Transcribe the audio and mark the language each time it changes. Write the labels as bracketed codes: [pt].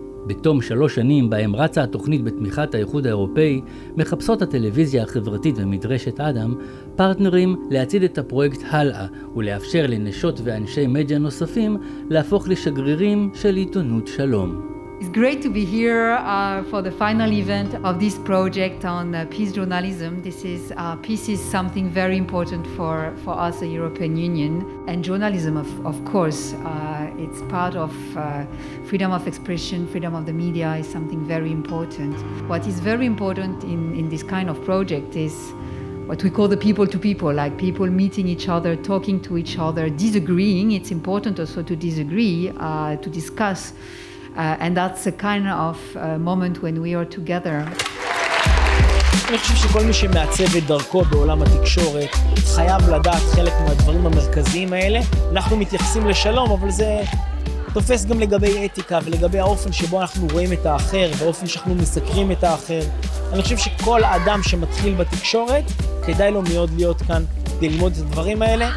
[he] בתום 3 שנים בהם רצה התוכנית בתמיכת האיחוד האירופאי, מחפשות הטלוויזיה החברתית ומדרשת אדם פרטנרים להציד את הפרויקט הלאה ולאפשר לנשות ואנשי מדיה נוספים להפוך לשגרירים של עיתונות שלום. [en] It's great to be here for the final event of this project on peace journalism. This is peace is something very important for us the European Union and journalism of course it's part of freedom of expression, freedom of the media is something very important. What is very important in this kind of project is what we call the people to people, like people meeting each other, talking to each other, disagreeing. It's important also to disagree, to discuss. And that's a kind of moment when we are together. [he] אני חושב שכל מי שמעצב את דרכו בעולם התקשורת חייב לדעת חלק מהדברים המרכזיים האלה. אנחנו מתייחסים לשלום, אבל זה תופס גם לגבי אתיקה ולגבי האופן שבו אנחנו רואים את האחר והאופן שאנחנו מסקרים את האחר. אני חושב שכל אדם שמתחיל בתקשורת כדאי לו מאוד להיות כאן ללמוד את הדברים האלה.